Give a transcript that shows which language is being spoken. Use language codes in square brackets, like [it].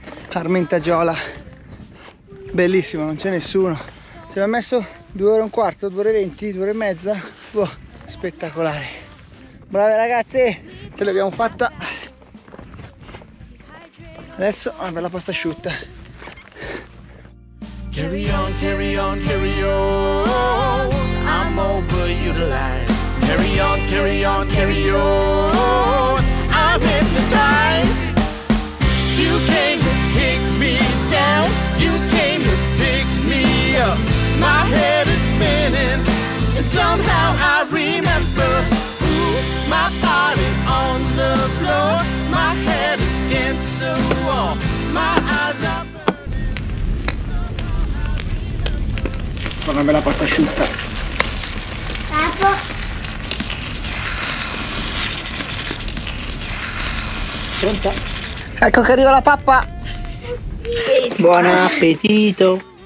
[it] Armentagiola, bellissimo, non c'è nessuno. Ci abbiamo messo 2 ore e un quarto, 2 ore e 20, 2 ore e mezza. Boh, spettacolare. Brave ragazze, ce l'abbiamo fatta. Adesso una bella pasta asciutta. [en] Carry on, carry on, carry on. I'm overutilized. Carry on, carry on, carry on. I'm hypnotized. You came to kick me down. You came to pick me up. My head is spinning. And somehow I remember who. My body on the floor. My head against the wall. My eyes are. [it] Una bella pasta asciutta. Papo. Pronta? Ecco che arriva la pappa. Buon appetito.